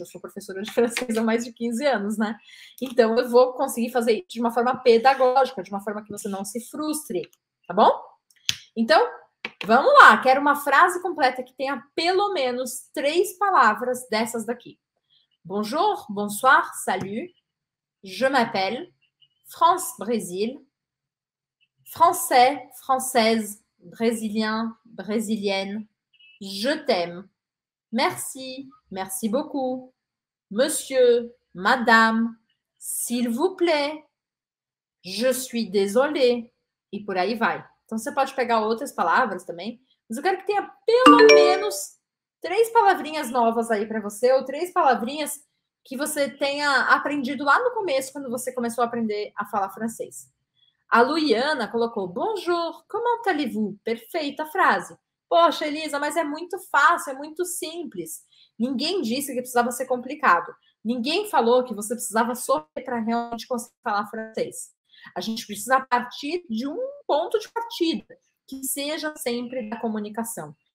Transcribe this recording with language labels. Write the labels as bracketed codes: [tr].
[pt] Eu sou professora de francês há mais de 15 anos, né? Então eu vou conseguir fazer isso de uma forma pedagógica, de uma forma que você não se frustre, tá bom? Então, vamos lá. Quero uma frase completa que tenha pelo menos três palavras dessas daqui. [fr] Bonjour, bonsoir, salut. Je m'appelle France, Brésil. Français, française, brésilien, brésilienne, je t'aime. Merci, merci beaucoup. Monsieur, madame, s'il vous plaît, je suis désolé. [pt] E por aí vai. Então você pode pegar outras palavras também, mas eu quero que tenha pelo menos três palavrinhas novas aí para você, ou três palavrinhas que você tenha aprendido lá no começo, quando você começou a aprender a falar francês. A Luiana colocou: [fr] Bonjour, comment allez-vous? [pt] Perfeita frase. Poxa, Elisa, mas é muito fácil, é muito simples. Ninguém disse que precisava ser complicado. Ninguém falou que você precisava sofrer para realmente conseguir falar francês. A gente precisa partir de um ponto de partida, que seja sempre da comunicação.